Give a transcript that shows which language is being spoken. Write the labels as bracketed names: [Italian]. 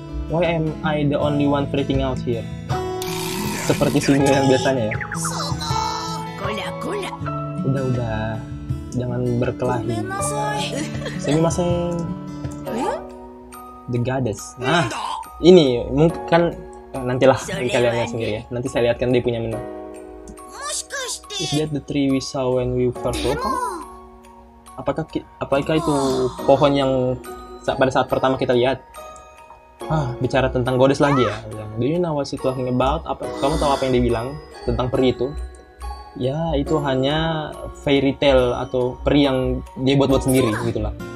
[English] Why am I the only one freaking out here? [Indonesian] Seperti sinyal yang biasanya ya. udah jangan berkelahi. Semi maseng. [English] The goddess. [Indonesian] Nah, ini mungkin kan nantilah kalian lihat sendiri ya. Nanti saya lihatkan dia punya menu. [English] Is that the tree we saw when we first woke up? [Indonesian] Apakah itu pohon yang pada saat pertama kita lihat? Ah, bicara tentang goddess lagi ya. [English] Do you know what she's talking about? [Indonesian] Apa, kamu tahu apa yang dia bilang tentang peri itu? Ya, itu hanya fairy tale atau peri yang dia buat-buat sendiri gitu lah.